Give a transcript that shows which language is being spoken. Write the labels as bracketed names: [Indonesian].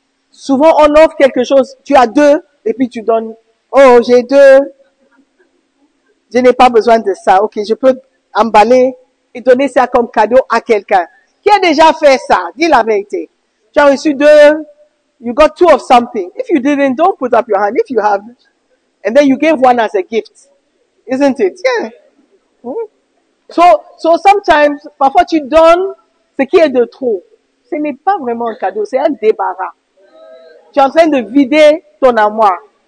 [French] Souvent on offre quelque chose, tu as deux, et puis tu donnes, oh, j'ai deux. Je n'ai pas besoin de ça. Ok, je peux emballer et donner ça comme cadeau à quelqu'un. Qui a déjà fait ça? Dis la vérité. Tu as reçu deux. [English] You got two of something. If you didn't, don't put up your hand. If you have, and then you gave one as a gift. Isn't it? Yeah. So sometimes, [French] parfois tu donnes ce qui est de trop. Ce n'est pas vraiment un cadeau, c'est un débarras. Tu es en train de vider ton armoire.